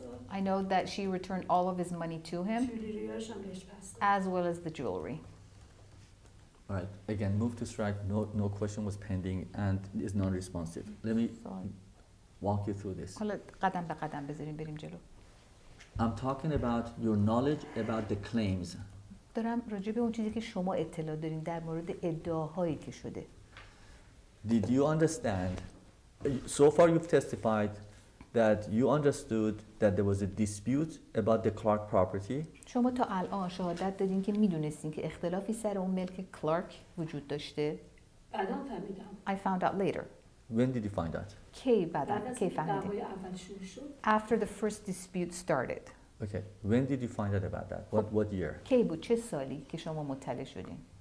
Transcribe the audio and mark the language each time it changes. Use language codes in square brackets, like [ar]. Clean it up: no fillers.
[en] I know that she returned all of his money to him, as well as the jewelry. All right. Again, move to strike. No question was pending and is non-responsive. Let me walk you through this. [fa] حالا قدم به قدم بذاریم بریم جلو. [en] I'm talking about your knowledge about the claims. [fa] دارم راجع به اون چیزی که شما اطلاع دارین در مورد ادعاهایی که شده. [en] Did you understand? So far you've testified that you understood that there was a dispute about the Clark property. [fa] شما تا الان شهادت دادین که میدونستین که اختلافی سر اون ملک کلارک وجود داشته. بعدا فهمیدم. [en] I found out later. When did you find out? [fa] کی بعدا؟ کی فهمیدی؟ [en] After the first dispute started. Okay, when did you find out about that? What year? [fa] کی بود؟ چه سالی که شما مطلع شدین؟